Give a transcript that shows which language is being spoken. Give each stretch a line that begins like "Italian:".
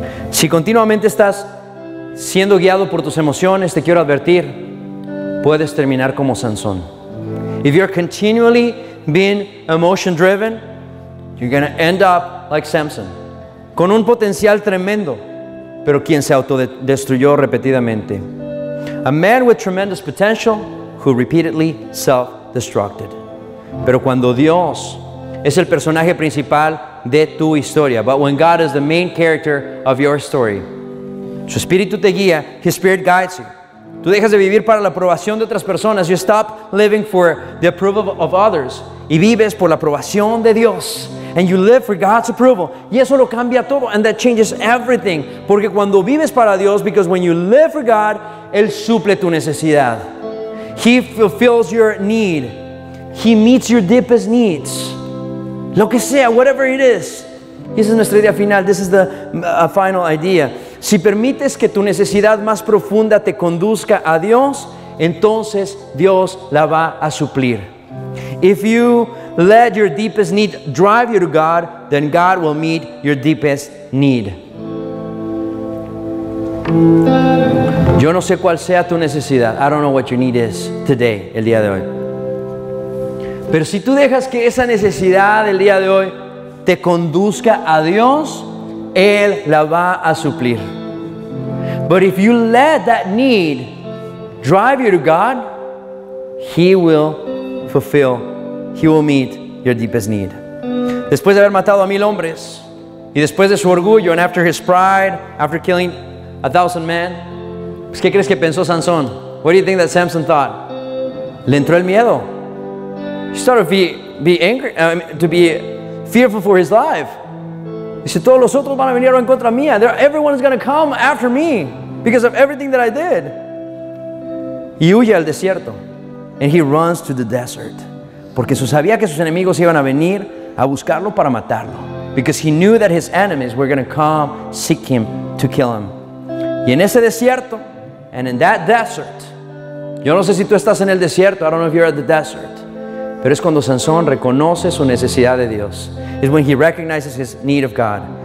Spanish: Si continuamente estás siendo guiado por tus emociones, te quiero advertir, puedes terminar como Sansón.
English: If you're continually being emotion driven, you're going to end up like Samson.
Spanish: Con un potencial tremendo, pero quien se autodestruyó repetidamente.
English: A man with tremendous potential who repeatedly self-destructed.
Spanish: Pero cuando Dios es el personaje principal de tu historia,
English: but when God is the main character of your story,
Spanish: su espíritu te guía,
English: his spirit guides you.
Spanish: Tú dejas de vivir para la aprobación de otras personas.
English: You stop living for the approval of others.
Spanish: Y vives por la aprobación de Dios.
English: And you live for God's approval.
Spanish: Y eso lo cambia todo.
English: And that changes everything.
Spanish: Porque cuando vives para Dios,
English: because when you live for God,
Spanish: Él suple tu necesidad.
English: He fulfills your need. He meets your deepest needs.
Spanish: Lo que sea,
English: whatever it is.
Spanish: Y esa es nuestra idea final.
English: This is the final idea.
Spanish: Si permites que tu necesidad más profunda te conduzca a Dios, entonces Dios la va a suplir.
English: If you let your deepest need drive you to God, then God will meet your deepest need.
Spanish: Yo no sé cuál sea tu necesidad.
English: I don't know what your need is today,
Spanish: el día de hoy. Pero si tú dejas que esa necesidad el día de hoy te conduzca a Dios, Él la va a suplir.
English: But if you let that need drive you to God, He will fulfill, He will meet your deepest need.
Spanish: Después de haber matado a 1,000 hombres, y después de su orgullo,
English: and after his pride, after killing 1,000 men,
Spanish: pues, ¿qué crees que pensó Sansón?
English: What do you think that Samson thought?
Spanish: Le entró el miedo.
English: He started to be angry, to be fearful for his life.
Spanish: Dice, todos los otros van a venir en contra mía.
English: Everyone is going to come after me because of everything that I did.
Spanish: Y huye al desierto.
English: And he runs to the desert.
Spanish: Porque sabía que sus enemigos iban a venir a buscarlo para matarlo.
English: Because he knew that his enemies were going to come seek him to kill him.
Spanish: Y en ese desierto,
English: and in that desert,
Spanish: yo no sé si tú estás en el desierto.
English: I don't know if you're at the desert.
Spanish: Pero es cuando Sansón reconoce su necesidad de Dios.
English: Is when he recognizes his need of God.